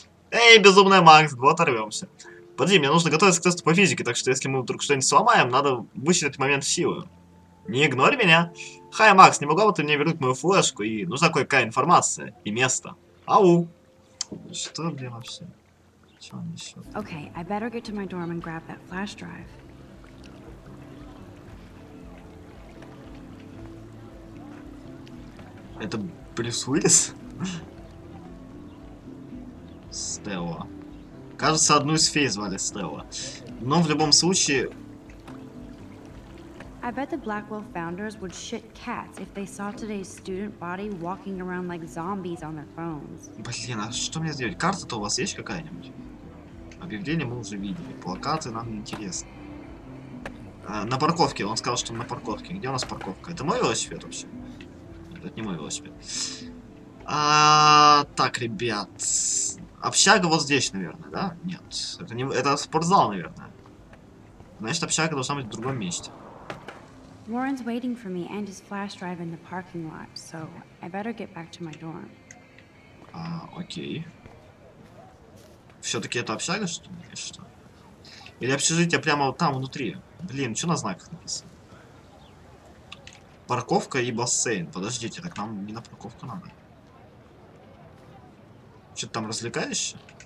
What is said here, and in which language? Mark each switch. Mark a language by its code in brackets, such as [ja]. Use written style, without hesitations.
[ru] Эй, безумная Макс, вот оторвемся. Подожди, мне нужно готовиться к тесту по физике, так что если мы вдруг что-нибудь сломаем, надо вычислить момент силы. Не игнорь меня. Хай, Макс, не могла бы ты мне вернуть мою флешку? И нужна кое-какая информация и место. Ау. Что, блин, вообще? Чё он несёт? [en] Окей, I better get to my dorm and grab that flash drive. [ru] Это Брюс Уиллис? Стелла. Кажется, одну из фей звали Стелла. Но в любом случае... [en] I bet the Blackwell founders would shit cats if they saw today's student body walking around like zombies on their phones. [ru] Блин, а что мне сделать? Карта-то у вас есть какая-нибудь? Объявление мы уже видели. Плакаты нам интересны. На парковке. Он сказал, что на парковке. Где у нас парковка? Это мой велосипед вообще? Это не мой велосипед. Так, ребят. Общага вот здесь, наверное, да? Нет. Это не. Это спортзал, наверное. Значит, общага должна быть в другом месте. [en] Warren's waiting for me and his flash drive in the parking lot, so I better get back to my dorm. [ru] Окей. Все-таки это общага, что ли, или что? Или общежитие прямо вот там внутри? Блин, что на знаках написано? Парковка и бассейн. Подождите, так нам не на парковку надо. Что-то там развлекаешься?